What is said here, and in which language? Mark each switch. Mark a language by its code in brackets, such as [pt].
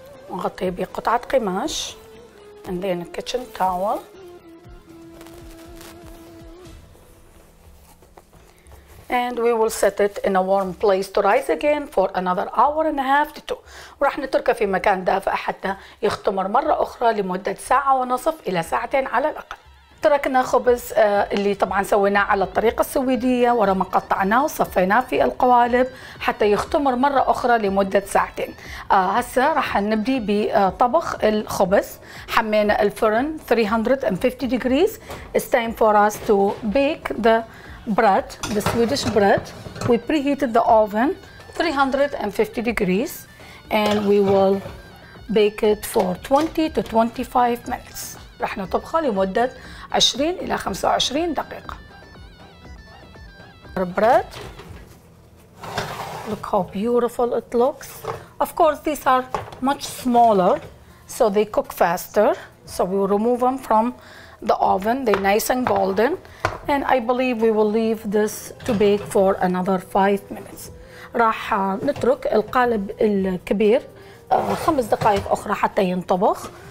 [ar] نغطي بقطعة قماش [en] and then a kitchen towel. And we will set it in a warm place to rise again for another hour and a half to two. [ar] وراح نتركه في مكان دافئ حتى يختمر مرة أخرى لمدة ساعة ونصف إلى ساعتين على الأقل. تركنا خبز اللي طبعا سويناه على الطريقة السويدية ورا ما قطعناه وصفيناه في القوالب حتى يختمر مرة أخرى لمدة ساعتين. هسا راح نبدي بطبخ الخبز. حمينا الفرن 350 degrees. [en] It's time for us to bake the bread, the Swedish bread. We preheated the oven 350 degrees and we will bake it for 20 to 25 minutes. [ar] راح نطبخه لمدة 20 إلى 25 دقيقة. [en] Our bread. Look how beautiful it looks. Of course, these are much smaller, so they cook faster. So we will remove them from the oven. They're nice and golden. And I believe we will leave this to bake for another 5 minutes. [ar] راح نترك القالب الكبير 5 دقائق أخرى حتى ينطبخ.